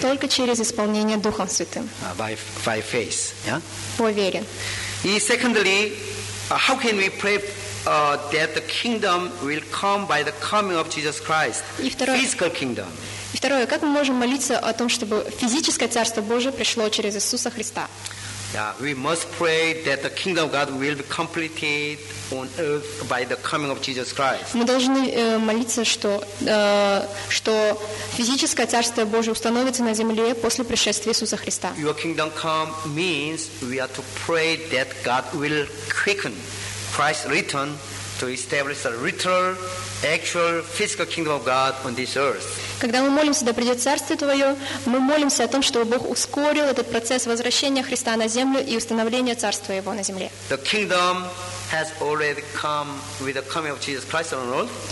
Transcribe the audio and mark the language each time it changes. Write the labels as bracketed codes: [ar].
[ru] Только через исполнение Духом Святым. [en] By faith, yeah? [ru] По вере. [en] И secondly, how can we pray that the kingdom will come by the coming of Jesus Christ? Physical kingdom. [ru] И второе, как мы можем молиться о том, чтобы физическое Царство Божие пришло через Иисуса Христа? [en] Yeah, we must pray that the kingdom of God will be completed on earth by the coming of Jesus Christ. [ru] Мы должны молиться, что физическое царство Божие установится на земле после пришествия Иисуса Христа. [en] Your kingdom come means we are to pray that God will quicken Christ's return to establish a literal, actual, physical kingdom of God on this earth. [ru] Когда мы молимся, да придет Царствие Твое, мы молимся о том, чтобы Бог ускорил этот процесс возвращения Христа на землю и установления Царства Его на земле. [en] The kingdom has already come with the coming of Jesus Christ on earth.